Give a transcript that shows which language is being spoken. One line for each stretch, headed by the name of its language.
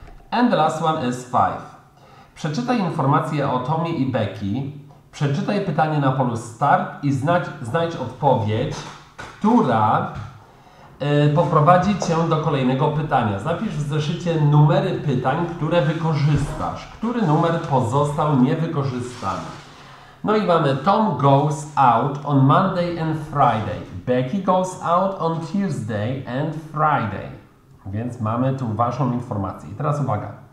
English: And the last one is 5.
Polish: Przeczytaj informacje o Tomie i Becky. Przeczytaj pytanie na polu start i znajdź odpowiedź, która poprowadzi cię do kolejnego pytania. Zapisz w zeszycie numery pytań, które wykorzystasz. Który numer pozostał niewykorzystany? No i mamy
English: Tom goes out on Monday and Friday. Becky goes out on Tuesday and Friday.
Polish: Więc mamy tu waszą informację. I teraz uwaga.